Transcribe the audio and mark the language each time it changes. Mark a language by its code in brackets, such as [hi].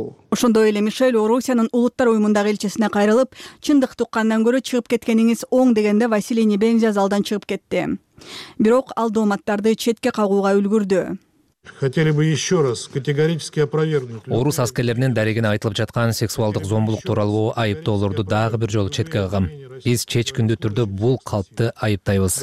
[ky] Ошондой эле Мишель Орусиянын улуттар уюмундагы элчисине кайрылып, чындык туккандан көрө чыгып кеткениңиз оң дегенде Василий Небензя залдан чыгып кетти. Бирок ал дооматтарды четке кагууга үлгүрдү. [ru] Хотели бы еще раз категорически опровергнуть. [ky] Орус аскерлеринин дарегине айтылып жаткан сексуалдык зомбулук тууралуу айыптоолорду дагы бир жолу четке кагам. Биз чечкиндүү түрдө бул калпты айыптайбыз.